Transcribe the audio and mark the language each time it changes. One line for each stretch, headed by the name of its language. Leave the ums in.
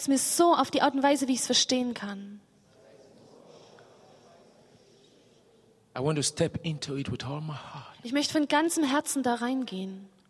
German: es mir so auf die Art und Weise, wie ich es verstehen kann.
English: I want to step into it with all my heart.
German: Ich möchte von ganzem Herzen da reingehen.